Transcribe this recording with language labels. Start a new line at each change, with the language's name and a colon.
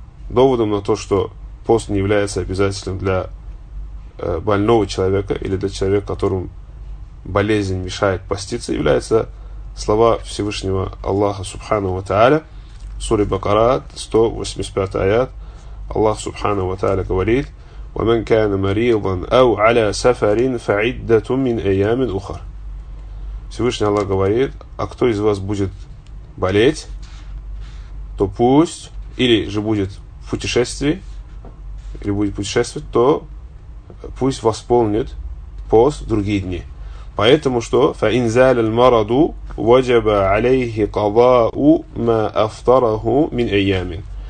Russian: Доводом на то, что пост не является обязательным для больного человека или для человека, которому болезнь мешает поститься, являются слова Всевышнего Аллаха Субхану ва Тааля, сура Бакара, 185 аят. Аллах Субхану ва Тааля говорит:
Arabic: وَمَنْ كَانَ مَرِيضًا أَوْ عَلَى سَفَرٍ فَعِدَّةٌ مِنْ أَيَّامٍ أُخَرَ.
Russian: Всевышний Аллах говорит: а кто из вас будет болеть, то пусть, или же будет в путешествии, или будет путешествовать, то пусть восполнит пост в другие дни. Поэтому что?
Arabic: فَإِنْ زَالَ الْمَرَضُ وَجَبَ عَلَيْهِ قَضَاءُ مَا أَفْطَرَهُ مِنْ أَيَّامٍ.